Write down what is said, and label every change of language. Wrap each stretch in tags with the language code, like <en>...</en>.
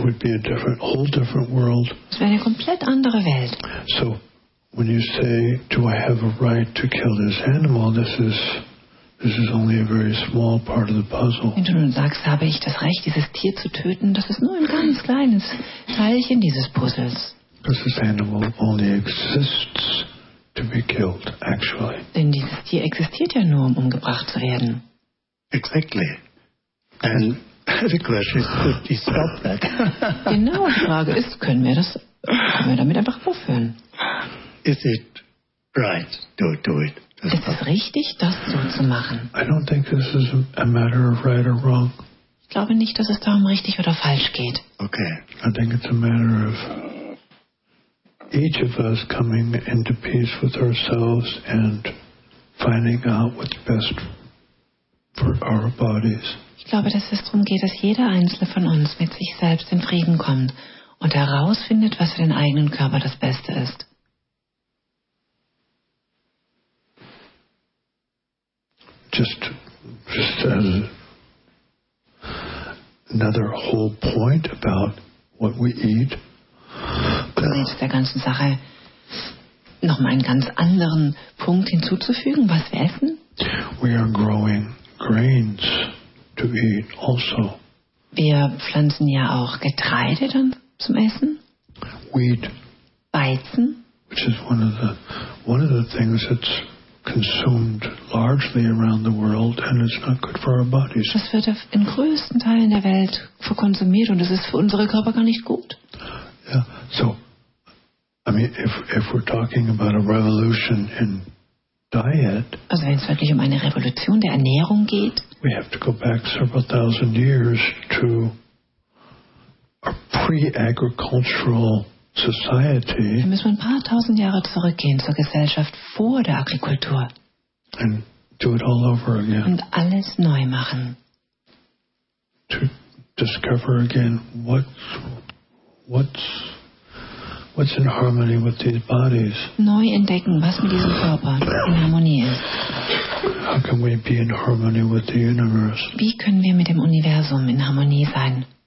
<en>It would be a different, whole different world.</en> <de>Es wäre eine komplett andere Welt.</de> <en>So, when you say, do I have a right to kill this animal, this is only a very small part of the puzzle.</en> <de>Wenn du nun sagst, habe ich das Recht, dieses Tier zu töten, das ist nur ein ganz kleines Teilchen dieses Puzzles.</de> <en>Because this animal only exists to be killed, actually.</en> <de>Denn dieses Tier existiert ja nur, um umgebracht zu werden.</de> <en>Exactly. And the question is, could we stop that?</en> <de>Genau, die Frage ist, können wir damit einfach aufhören?</de> <en>Is it right to do it?</en> <de>Ist es richtig, das so zu machen?</de> <en>I don't think this is a matter of right or wrong.</en> <de>Ich glaube nicht, dass es darum richtig oder falsch geht.</de> <en>Okay. I think it's a matter of each of us coming into peace with ourselves and finding out what's best for our bodies.</en> <de>Ich glaube, dass es darum geht, dass jeder Einzelne von uns mit sich selbst in Frieden kommt und herausfindet, was für den eigenen Körper das Beste ist.</de> <en>Just as another whole point about what we eat.</en> <de>Jetzt der ganzen Sache noch mal einen ganz anderen Punkt hinzuzufügen, was wir essen.</de> <en>We are growing grains to eat also.</en> <de>Wir pflanzen ja auch Getreide dann zum Essen.</de> <en>Wheat.</en> <de>Weizen.</de> <en>Which is one of the things that's consumed largely around the world, and it's not good for our bodies.</en> <de>Das wird in größten Teilen der Welt verkonsumiert und es ist für unsere Körper gar nicht gut.</de> <en>Yeah. So, I mean, if we're talking about a revolution in diet,</en> <de>also wenn es wirklich um eine Revolution der Ernährung geht,</de> <en>we have to go back several thousand years to our pre-agricultural society.</en> <de>Wir müssen ein paar tausend Jahre zurückgehen zur Gesellschaft vor der Agrikultur.</de> <en>And do it all over again.</en> <de>Und alles neu machen.</de> <en>To discover again what's in harmony with these bodies.</en> <de>Neu entdecken, was mit diesem Körper in Harmonie ist.</de> <en>How can we be in harmony with the universe?</en> <de>Wie können wir mit dem Universum in Harmonie sein?</de>